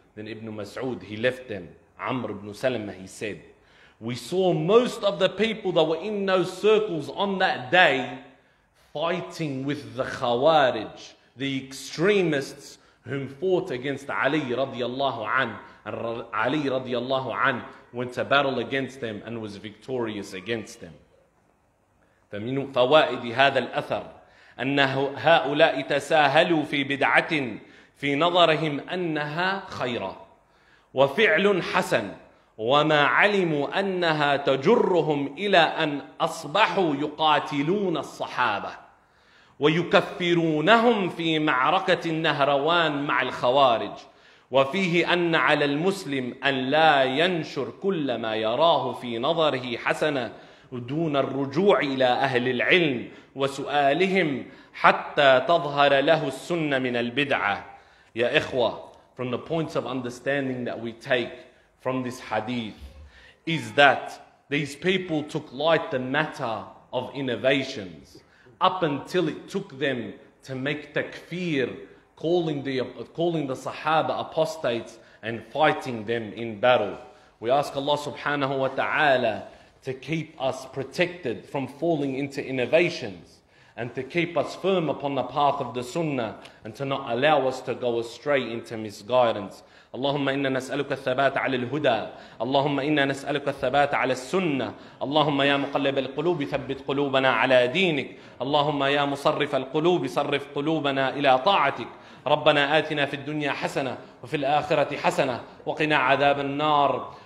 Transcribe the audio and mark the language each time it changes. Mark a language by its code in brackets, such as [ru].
[en] Then Ibn Mas'ud, he left them. Amr ibn Salama, he said, we saw most of the people that were in those circles on that day fighting with the Khawarij, the extremists whom fought against Ali radiallahu anhu. And Ali radiallahu anhu went to battle against them and was victorious against them. [ar] فمن فوائد هذا الأثر أن هؤلاء تساهلوا في بدعة في نظرهم أنها خيرة وفعل حسن وما علموا أنها تجرهم إلى أن أصبحوا يقاتلون الصحابة ويكفرونهم في معركة النهروان مع الخوارج وفيه أن على المسلم أن لا ينشر كل ما يراه في نظره حسنة دون الرجوع إلى أهل العلم وسؤالهم حتى تظهر له السنة من البدعة. يا إخوة, [en] from the points of understanding that we take from this hadith is that these people took light the matter of innovations up until it took them to make takfir, calling the Sahaba apostates and fighting them in battle. We ask Allah subhanahu wa ta'ala to keep us protected from falling into innovations and to keep us firm upon the path of the sunnah and to not allow us to go astray into misguidance. [ar] اللهم إنا نسألك الثبات على الهدى, اللهم إنا نسألك الثبات على السنة, اللهم يا مقلب القلوب ثبت قلوبنا على دينك, اللهم يا مصرف القلوب صرف قلوبنا إلى طاعتك. ربنا آتنا في الدنيا حسنة وفي الآخرة حسنة وقنا عذاب النار.